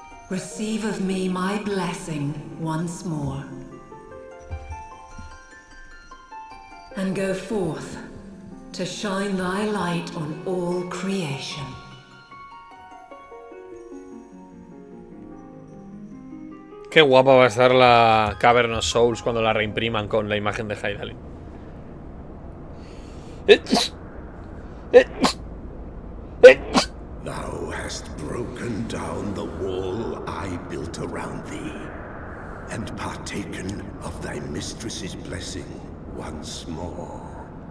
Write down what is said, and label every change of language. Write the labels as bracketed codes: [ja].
[en] Receive of me my blessing once more. And go forth to shine thy light on all creation. [es] Qué guapa va a estar la Cavern of Souls cuando la reimpriman con la imagen de Hydaelyn. [en] Thou hast broken down the wall I built around thee, and partaken of thy mistress's blessing. Once more.